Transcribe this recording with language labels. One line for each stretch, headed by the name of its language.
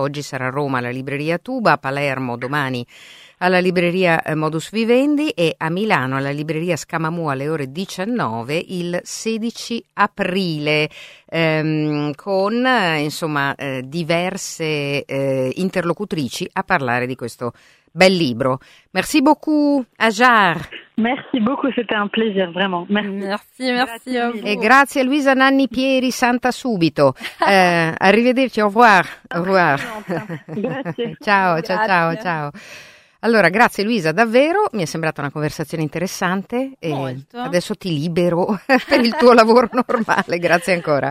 Italian: Oggi sarà a Roma alla libreria Tuba, a Palermo domani alla libreria Modus Vivendi e a Milano alla libreria Scamamù alle ore 19 il 16 aprile, con insomma diverse interlocutrici a parlare di questo bel libro.
French: Merci beaucoup, Hajar. Merci beaucoup, c'était un plaisir, vraiment. Merci, merci.
Italian: Grazie. E grazie a Luisa Nanni Pieri, santa subito. arrivederci,
French: au revoir. Au revoir.
Italian: Grazie. Ciao, ciao, grazie. Ciao, ciao. Allora, grazie Luisa, davvero, mi è sembrata una conversazione interessante e molto. Adesso ti libero per il tuo lavoro normale, grazie ancora.